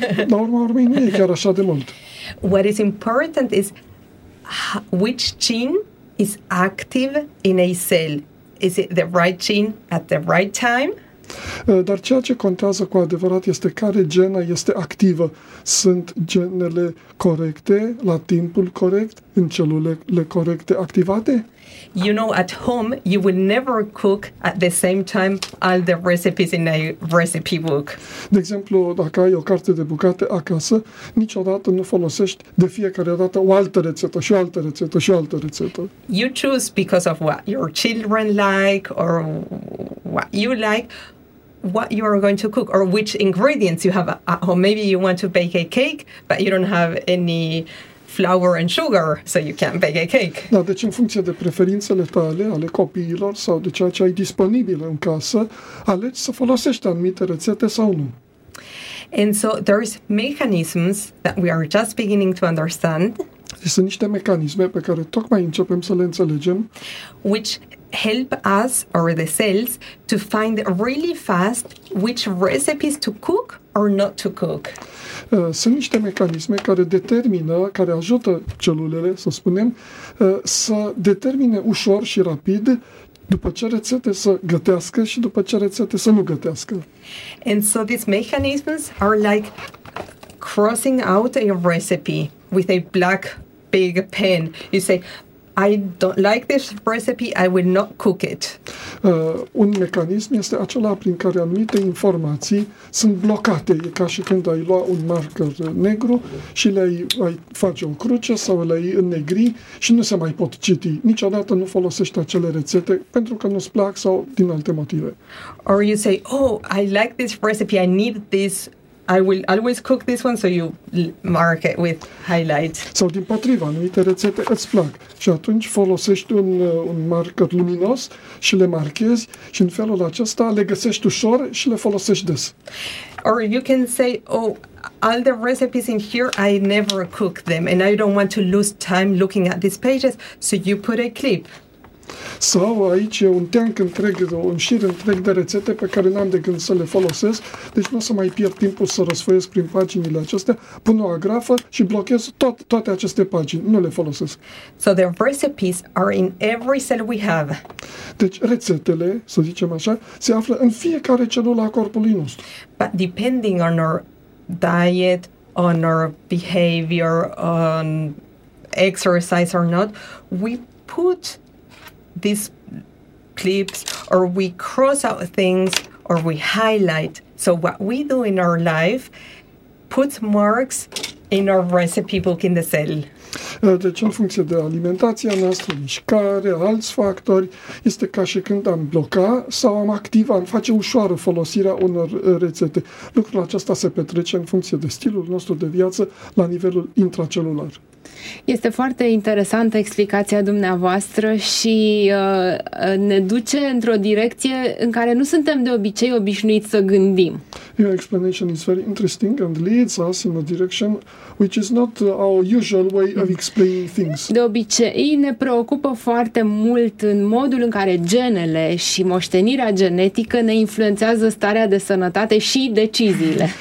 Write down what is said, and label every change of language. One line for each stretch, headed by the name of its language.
Romanian: La urma urmei, nu e chiar așa de mult.
English: What is important is which gene is active in a cell. Is it the right gene at the right time?
Romanian: Dar ceea ce contează cu adevărat este care genă este activă. Sunt genele corecte, la timpul corect, în celulele corecte activate?
English: You know, at home, you will never cook at the same time all the recipes in a recipe book.
Romanian: De exemplu, dacă ai o carte de bucate acasă, niciodată nu folosești de fiecare dată o altă rețetă și o altă rețetă și o altă rețetă.
English: You choose because of what your children like or what you like, what you are going to cook or which ingredients you have at home. Maybe you want to bake a cake, but you don't have any flour and sugar, so you can't bake a cake.
Romanian: Da, deci în funcție de preferințele tale, ale copiilor sau de ceea ce ai disponibil în casă, alegi să folosești anumite rețete sau nu.
English: And so there's mechanisms that we are just beginning to understand.
Romanian: Sunt niște mecanisme pe care tocmai începem să le înțelegem.
English: Which help us or the cells to find really fast which recipes to cook or not to cook.
Romanian: Sunt niște mecanisme care determină, care ajută celulele, să spunem, să determine ușor și rapid după ce rețete să gătească și după ce rețete să nu gătească.
English: And so these mechanisms are like crossing out a recipe with a black big pen. You say, I don't like this recipe, I will not cook it.
Romanian: Un mecanism este acela prin care anumite informații sunt blocate. E ca și când ai lua un marker negru și le-ai face o cruce sau le-ai înnegri și nu se mai pot citi. Niciodată nu folosești acele rețete pentru că nu-ți plac sau din alte motive.
English: Or you say, oh, I like this recipe, I need this, I will always cook this one, so you mark it with highlights.
Romanian: Sau din potriva, anumite rețete îți plac și atunci folosești un marker luminos și le marchezi și în felul acesta le găsești ușor și le folosești des.
English: Or you can say, oh, all the recipes in here, I never cook them and I don't want to lose time looking at these pages, so you put a clip.
Romanian: Sau aici e un teanc întreg, un șir întreg de rețete pe care n-am de gând să le folosesc, deci nu o să mai pierd timpul să răsfoiesc prin paginile acestea, pun o agrafă și blochez toate aceste pagini, nu le folosesc.
English: So the recipes are in every cell we have.
Romanian: Deci rețetele, să zicem așa, se află în fiecare celulă a corpului nostru.
English: But depending on our diet, on our behavior, on exercise or not, we put these clips, or we cross out things, or we highlight. So what we do in our life puts marks in our recipe book in the cell.
Romanian: Deci, în funcție de alimentația noastră, mișcare, alți factori, este ca și când am bloca sau am activa, am face ușoară folosirea unor rețete. Lucrul acesta se petrece în funcție de stilul nostru de viață la nivelul intracelular. Este foarte interesantă explicația dumneavoastră și ne duce într-o direcție în care nu suntem de obicei obișnuiți să gândim.
English: Your explanation is very interesting and leads us in a direction which is not our usual way of explaining things.
Romanian: De obicei ne preocupă foarte mult în modul în care genele și moștenirea genetică ne influențează starea de sănătate și deciziile.